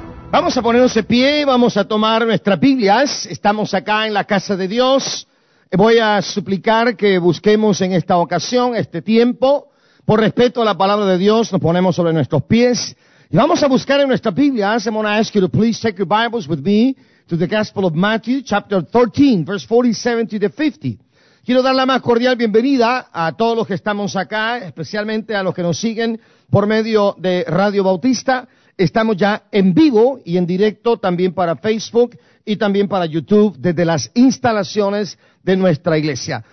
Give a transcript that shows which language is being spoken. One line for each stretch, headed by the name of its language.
Spanish: Vamos a ponernos de pie, vamos a tomar nuestras Biblias, estamos acá en la casa de Dios. Voy a suplicar que busquemos en esta ocasión, este tiempo, por respeto a la Palabra de Dios, nos ponemos sobre nuestros pies y vamos a buscar en nuestras Biblias.
English: I'm going to ask you to please take your Bibles with me to the Gospel of Matthew, chapter 13, verse 47 to the 50.
Spanish: Quiero dar la más cordial bienvenida a todos los que estamos acá, especialmente a los que nos siguen por medio de Radio Bautista. Estamos ya en vivo y en directo también para Facebook y también para YouTube desde las instalaciones de nuestra iglesia.